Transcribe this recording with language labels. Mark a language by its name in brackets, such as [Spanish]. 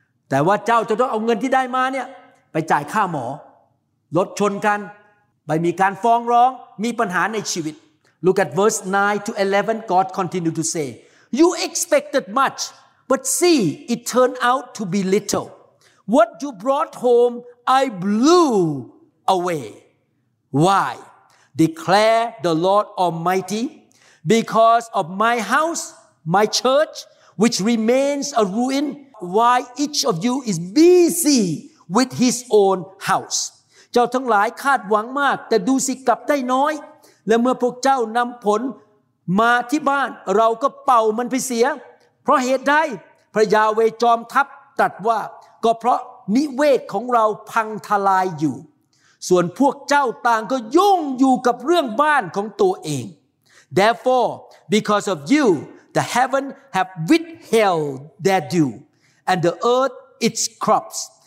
[Thai] แต่ว่าเจ้าจะต้องเอาเงินที่ได้มาเนี่ยไปจ่ายค่าหมอรถชนกันไปมีการฟ้องร้องมีปัญหาในชีวิต [English] Look at verse 9 to 11, God continued to say, You expected much, but see, it turned out to be little. What you brought home, I blew away. Why? Declare the Lord Almighty, because of my house, my church, which remains a ruin, why each of you is busy with his own house. [Thai] เจ้าทั้งหลายคาดหวังมากแต่ดูสิกลับได้น้อยและเมื่อพวกเจ้านำผลมาที่บ้านเราก็เป่ามันไปเสียเพราะเหตุใดพระยาเวจอมทัพตรัสว่าก็เพราะนิเวศของเราพังทลายอยู่ส่วนพวกเจ้าต่างก็ยุ่งอยู่กับเรื่องบ้านของตัวเอง [English] Therefore, because of you, the heaven have withheld their dew, and the earth its crops.